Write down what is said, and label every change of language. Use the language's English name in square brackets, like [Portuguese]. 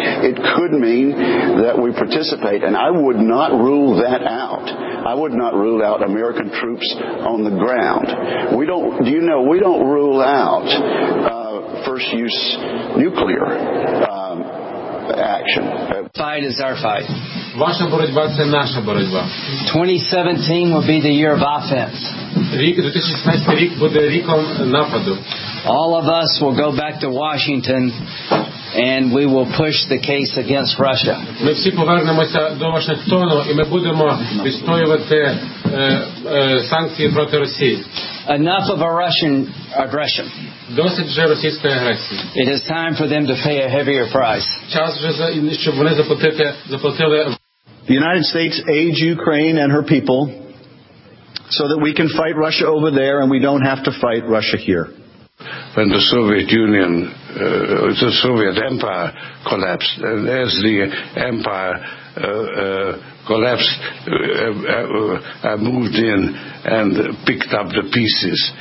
[English] It could mean that we participate, and I would not rule that out. I would not rule out American troops on the ground. We don't. Do you know, we don't rule out first use nuclear action. Fight is our fight. [Ukrainian] Ваша боротьба – це наша боротьба. [English] 2017 will be the year of offense. [Ukrainian] Рік 2016 рік буде роком нападу. [English] All of us will go back to Washington and we will push the case against Russia. [Ukrainian] Ми всі повернемося до Вашингтону і ми будемо відстоювати санкції проти Росії. [English] Enough of a Russian aggression. [Ukrainian] Досить вже російської агресії. [English] It is time for them to pay a heavier price. [Ukrainian] Час вже за щоб вони заплатили. [English] The United States aids Ukraine and her people so that we can fight Russia over there and we don't have to fight Russia here. When the Soviet Union, the Soviet Empire collapsed, and as the empire collapsed, I moved in and picked up the pieces.